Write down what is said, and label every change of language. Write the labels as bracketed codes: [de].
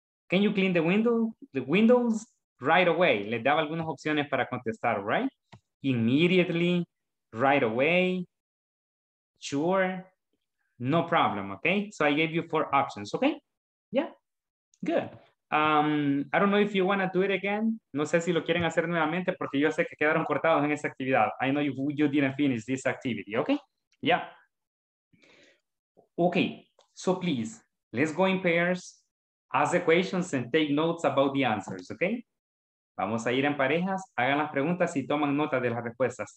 [en] Can you clean the windows right away? [es] Le daba algunas opciones para contestar, [en] right? Immediately, right away, sure, no problem, okay? So I gave you four options, okay? Yeah, good. I don't know if you want to do it again. [es] No sé si lo quieren hacer nuevamente porque yo sé que quedaron cortados en esa actividad. [en] I know you didn't finish this activity, okay? Yeah. Okay, so please, let's go in pairs. Ask the questions and take notes about the answers, okay? [es] Vamos a ir en parejas, hagan las preguntas y toman nota de las respuestas.